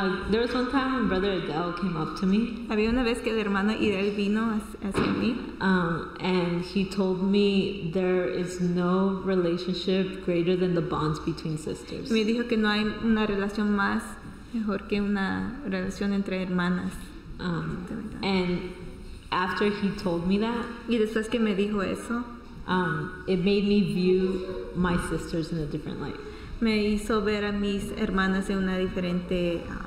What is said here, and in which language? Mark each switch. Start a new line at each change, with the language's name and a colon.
English: There was one time when Brother Adele came up to me.
Spanish: Había una vez que el hermano Adele vino hacia mí.
English: And he told me there is no relationship greater than the bonds between sisters.
Spanish: Me dijo que no hay una relación más mejor que una relación entre hermanas.
English: And after he told me that,
Spanish: y después que me dijo eso,
English: It made me view my sisters in a different light.
Spanish: Me hizo ver a mis hermanas de una diferente